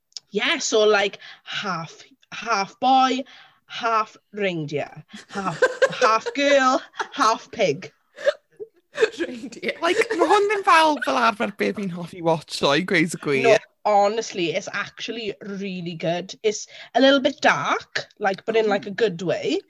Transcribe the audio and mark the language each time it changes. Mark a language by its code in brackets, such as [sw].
[en] Yeah, so like half boy, half reindeer, half girl, half pig. Reindeer. [cy] Like, mae hwn yn fel arfer beth fi'n hoffi [en] watcho [cy] I gweud y gwir. [en] No, honestly, it's actually really good. It's a little bit dark, like, but in like a good way.